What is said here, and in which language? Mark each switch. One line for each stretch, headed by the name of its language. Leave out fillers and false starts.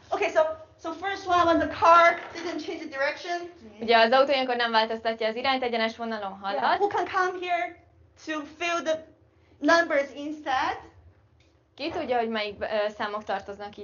English: OK, so first one when the car didn't change the direction.
Chinese: 对啊，走对，如果它没有改变方向，它就是在原地。
English: Who can come here to fill the numbers instead?
Chinese: 谁知道哪些数目包含在这